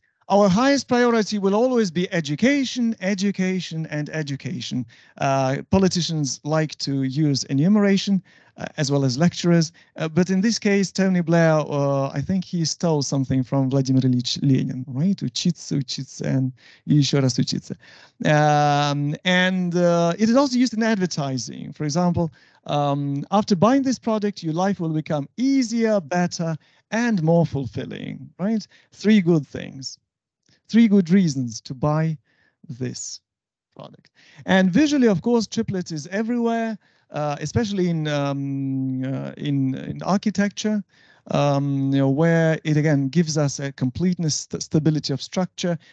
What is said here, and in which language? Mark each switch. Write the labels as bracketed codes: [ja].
[en] Our highest priority will always be education, education, and education. Politicians like to use enumeration as well as lecturers. But in this case, Tony Blair, I think he stole something from Vladimir Ilyich Lenin, right? [ru] Учиться, учиться, [en] and [ru] еще раз учиться. [en] It is also used in advertising. For example, after buying this product, your life will become easier, better, and more fulfilling, right? Three good things. Three good reasons to buy this product. And visually, of course, triplets is everywhere, especially in architecture, you know, where it again gives us a completeness, stability of structure.